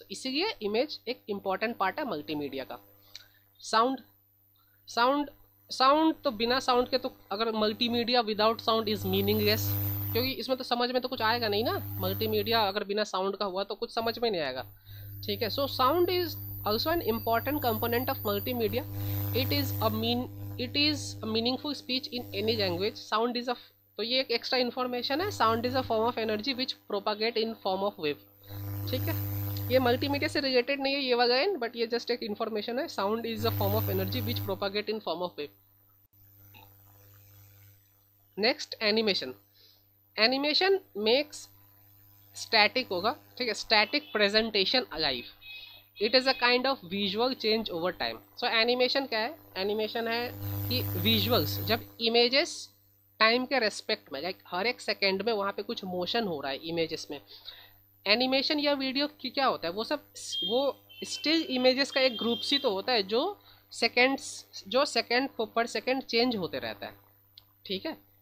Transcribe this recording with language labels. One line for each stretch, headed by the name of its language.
Hindi: इसीलिए इमेज एक important part है मल्टीमीडिया का। साउंड, साउंड साउंड तो बिना साउंड के तो अगर
English: multimedia without sound is meaningless,
Hindi: क्योंकि इसमें तो समझ में तो कुछ आएगा नहीं ना। मल्टीमीडिया अगर बिना साउंड का हुआ तो कुछ समझ में नहीं आएगा, ठीक है।
English: So sound is also an important component of multimedia. It is a meaningful speech in any language. Sound is a
Hindi: तो ये एक
English: extra information है, sound is a form of energy which propagate in form of wave,
Hindi: ठीक है। ये multimedia से related नहीं है ये वाला line,
English: but
Hindi: ये just एक information है,
English: sound is a form of energy which propagate in form of wave. Next, animation. Animation makes static
Hindi: होगा, ठीक है,
English: static presentation alive. It is a kind of visual change over time.
Hindi: So animation क्या है? Animation है कि visuals, जब images time के respect में, लाइक हर एक सेकेंड में वहाँ पे कुछ मोशन हो रहा है इमेजेस में, एनिमेशन या वीडियो की क्या होता है, वो सब वो स्टिल इमेजेस का एक ग्रुप सी तो होता है जो सेकेंड पर सेकेंड चेंज होते रहता है, ठीक है,